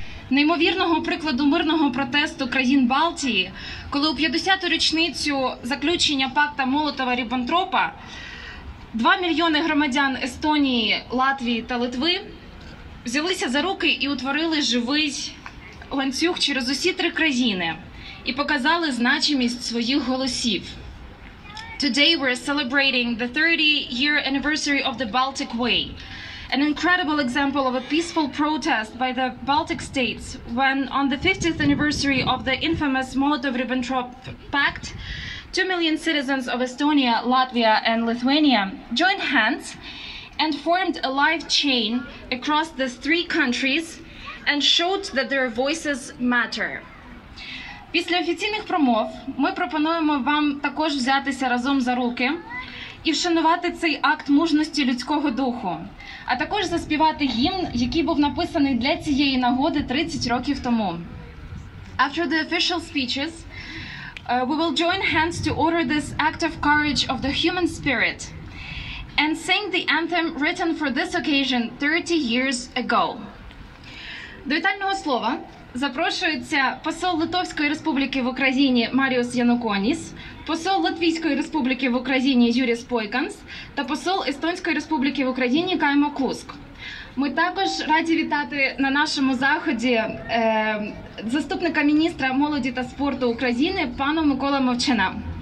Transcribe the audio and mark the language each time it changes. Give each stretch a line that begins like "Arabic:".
Ukrainian: Неймовірного прикладу мирного протесту країн Балтії, коли у 50-ту річницю заключення пакта Молотова-Ріббентропа 2 мільйони громадян Естонії, Латвії та Литви взялися за руки і утворили живий ланцюг через усі три країни і показали значимість своїх голосів.
English: Today we're celebrating the 30-year anniversary of the Baltic Way. An incredible example of a peaceful protest by the Baltic states when on the 50th anniversary of the infamous Molotov-Ribbentrop Pact, 2 million citizens of Estonia, Latvia and Lithuania joined hands and formed a live chain across these three countries and showed that their voices matter.
Ukrainian: Після офіційних промов ми пропонуємо вам також взятися разом за руки і вшанувати цей акт мужності людського духу, а також заспівати гімн, який був написаний для цієї нагоди 30 років тому.
English: After the official speeches, we will join hands to honor this act of courage of the human spirit and sing the anthem written for this occasion 30 years ago.
Ukrainian: До вітального слова запрошується посол Литовської Республіки в Україні Маріус Януконіс, посол Латвійської Республіки в Україні Юріс Пойканс та посол Естонської Республіки в Україні Каймо Клуск. Ми також раді вітати на нашому заході заступника міністра молоді та спорту України пана Миколу Мовчана.